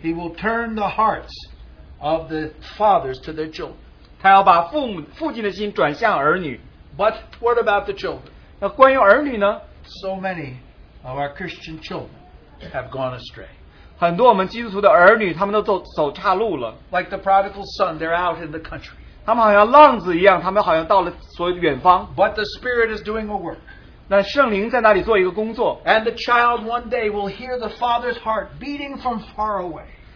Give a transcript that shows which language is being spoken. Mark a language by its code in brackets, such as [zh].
[en] He will turn the hearts of the fathers to their children. [zh] 他要把父亲的心转向儿女。 [en] But what about the children? [zh] 那关于儿女呢? [en] So many of our Christian children have gone astray. [zh] 很多我们基督徒的儿女,他们都走岔路了。 [en] Like the prodigal son, they're out in the country. [zh] 他们好像浪子一样,他们好像到了所远方。 [en] But the Spirit is doing a work. [zh] 那圣灵在那里做一个工作。 [en] And the child one day will hear the father's heart beating from far away.